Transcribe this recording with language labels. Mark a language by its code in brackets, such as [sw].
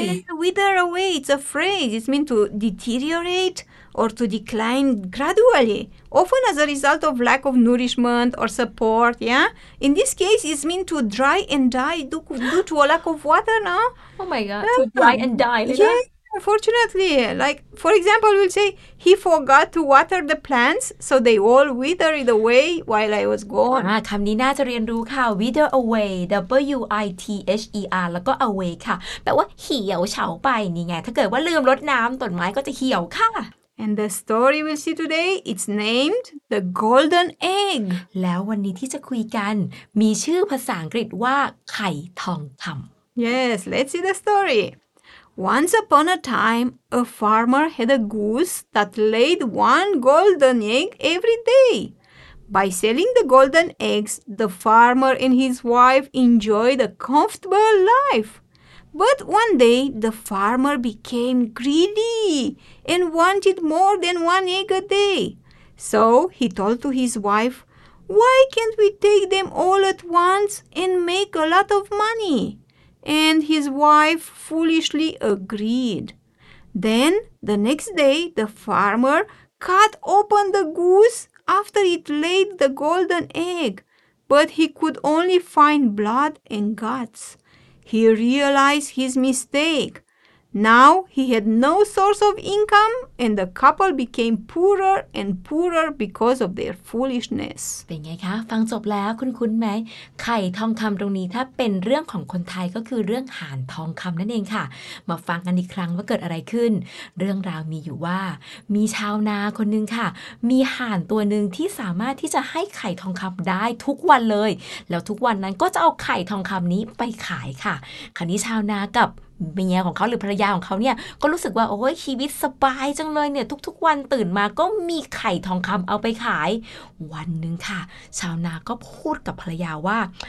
[en] yeah, wither away it's a phrase it's meant to deteriorate or to decline gradually often as a result of lack of nourishment or support yeah in this case it's meant to dry and die due to a lack of water no oh my god to dry and die like yeah that? Unfortunately like for example we'll say he forgot to water the plants so they all withered away while I was gone [th] คำนี้น่าจะเรียนรู้ค่ะ wither away w i t h e r แล้วก็ away ค่ะแปลว่าเหี่ยวเฉาไปนี่ไงถ้าเกิดว่าลืมรดน้ำต้นไม้ก็จะเหี่ยวค่ะ [en] and the story we'll see today it's named the golden egg [th] แล้ววันนี้ที่จะคุยกันมีชื่อภาษาอังกฤษว่าไข่ทองคำ [en] yes let's see the storyOnce upon a time, a farmer had a goose that laid one golden egg every day. By selling the golden eggs, the farmer and his wife enjoyed a comfortable life. But one day, the farmer became greedy and wanted more than one egg a day. So he told to his wife, "Why can't we take them all at once and make a lot of money?" And his wife foolishly agreed. Then, the next day, the farmer cut open the goose after it laid the golden egg, but he could only find blood and guts. He realized his mistake. Now he had no source of income, and the couple became poorer and poorer because of their foolishness. [th] เป็นไงคะฟังจบแล้วคุ้นๆไหมไข่ทองคำตรงนี้ถ้าเป็นเรื่องของคนไทยก็คือเรื่องหานทองคำนั่นเองค่ะมาฟังกันอีกครั้งว่าเกิดอะไรขึ้นเรื่องราวมีอยู่ว่า มีชาวนาคนนึงค่ะมีหานตัวนึงที่สามารถที่จะให้ไข่ทองคำได้ทุกวันเลยแล้วทุกวันนั้นก็จะเอาไข่ทองคำนี้ไปขายค่ะคราวนี้ชาวนากับเมียของเขาหรือภรรยาของเขาเนี่ยก็รู้สึกว่าโอ้ยชีวิตสบายจังเลยเนี่ยทุกๆวันตื่นมาก็มีไข่ทองคำเอาไปขายวันนึงค่ะชาวนาก็พูดกับภรรยาว่า